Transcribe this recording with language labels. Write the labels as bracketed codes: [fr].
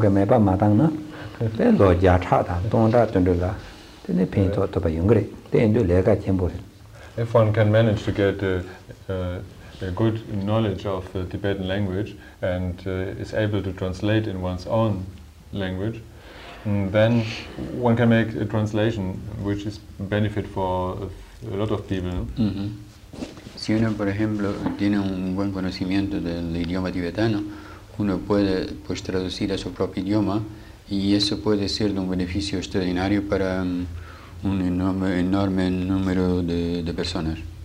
[en] que me va matando pero ya está don da donde la tiene pinto todo bien gre tiene le ga tiempo. If one can manage to get a good knowledge of the Tibetan language and is able to translate in one's own language, then one can make a translation which is benefit for a lot of people. Mm-hmm. [es] Si uno, por ejemplo, tiene un buen conocimiento del idioma tibetano, uno puede pues traducir a su propio idioma y eso puede ser de un beneficio extraordinario para un enorme número de personas.